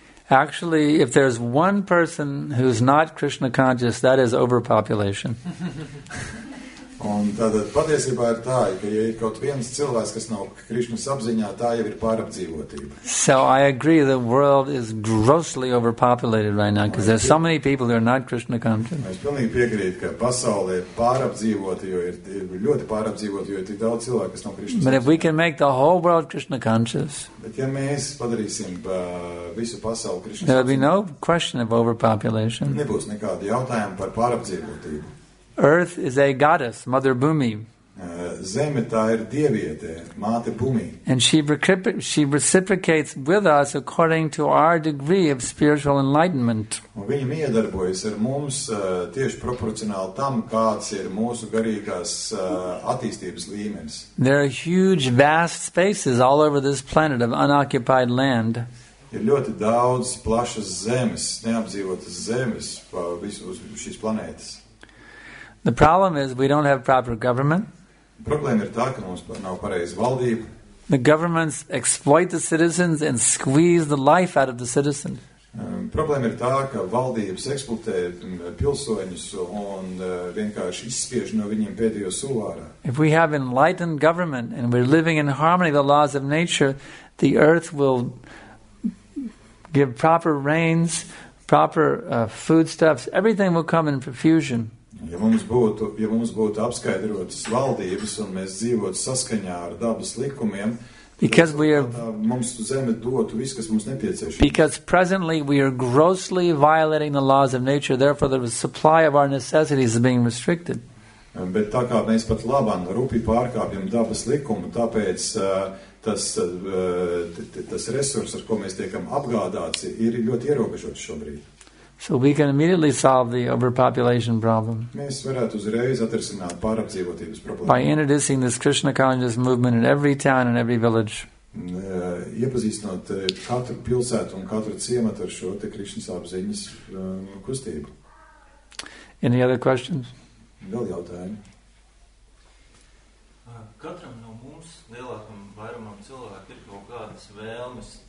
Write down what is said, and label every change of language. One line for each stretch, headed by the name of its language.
English: Actually, if there's one person who's not Krishna conscious, that is overpopulation.
Latvian: Un tātad patiesībā ir tā, ka ja ir kaut viens cilvēks, kas nav Krišnas apziņā, tā jau ir pārapdzīvotība.
English: So I agree the world is grossly overpopulated right now, because there's so many people who are not Krishna conscious.
Latvian: Es pilnīgi piekrītu, ka pasaulē pārapdzīvota, jo ir ļoti pārapdzīvota, jo ir tik daudz cilvēku, kas nav Krišnas apziņā.
English: But if we can make the whole world Krishna conscious,
Latvian: bet ja mēs padarīsim visu pasauli Krišnas apziņā,
English: there will be no question of overpopulation.
Latvian: Nebūs nekādu jautājumu par pārapdzīvotību.
English: Earth is a goddess, Mother Bhumi.
Latvian: Zeme tā ir dieviete, Māte Bhumi.
English: And she reciprocates with us according to our degree of spiritual enlightenment.
Latvian: Un viņa iedarbojas ar mums tieši proporcionāli tam, kāds ir mūsu garīgās attīstības līmenis.
English: There are huge, vast spaces all over this planet of unoccupied land.
Latvian: ir ļoti daudz plašas zemes, neapdzīvotas zemes pa visu uz šīs planētas.
English: The problem is we don't have proper government.
Latvian: Problēma ir tā, ka mums nav pareiza valdība.
English: The governments exploit the citizens and squeeze the life out of the citizens.
Latvian: Problēma ir tā, ka valdības eksploatē pilsoņus un vienkārši izspiež no viņiem pēdējo suvārā.
English: If we have enlightened government and we're living in harmony with the laws of nature, the earth will give proper rains, proper foodstuffs, everything will come in profusion.
Latvian: Ja mums būtu apskaidrotas valdības un mēs dzīvotu saskaņā ar dabas likumiem,
English: because we are
Latvian: mums zeme dotu viss, kas mums nepieciešams.
English: Because presently we are grossly violating the laws of nature, therefore the supply of our necessities is being restricted.
Latvian: Bet tā kā mēs pat labam rūpi pārkāpjam dabas likumu, tāpēc tas resurs, ar ko mēs tiekam apgādāts, ir ļoti ierobežots šobrīd.
English: So we can immediately solve the overpopulation problem.
Latvian: Mēs varētu uzreiz atrisināt pārapdzīvotības problēmu.
English: By introducing this Krishna consciousness movement in every town and every village.
Latvian: Iepazīstinot katru pilsētu un katru ciematu ar šo te Krišnas apziņas kustību.
English: Any other questions?
Latvian: Vēl jautājumi. Katram no mums lielākam vairumam cilvēku ir kaut kādas vēlmes.